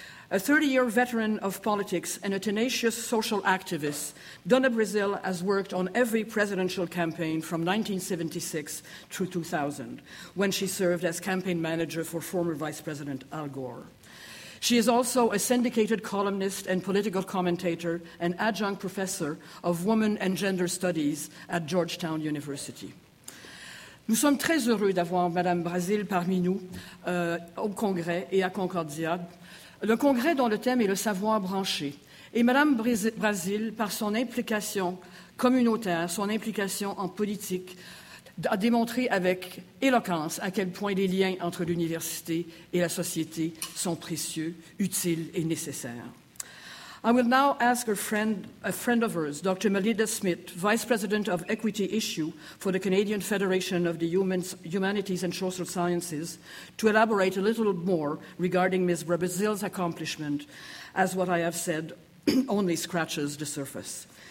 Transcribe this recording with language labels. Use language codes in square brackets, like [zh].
[en] A 30-year veteran of politics and a tenacious social activist, Donna Brazil has worked on every presidential campaign from 1976 through 2000, when she served as campaign manager for former Vice President Al Gore. She is also a syndicated columnist and political commentator and adjunct professor of women and gender studies at Georgetown University. [fr] Nous sommes très heureux d'avoir Madame Brazil parmi nous au Congrès et à Concordia. Le Congrès dont le thème est le savoir branché. Et Madame Brazil, par son implication communautaire, son implication en politique, a démontré avec éloquence à quel point les liens entre l'université et la société sont précieux, utiles et nécessaires. [en] I will now ask a friend of hers, Dr. Melinda Smith, Vice President of Equity Issue for the Canadian Federation of the Humanities and Social Sciences, to elaborate a little more regarding Ms. Brazil's accomplishment, as what I have said only scratches the surface.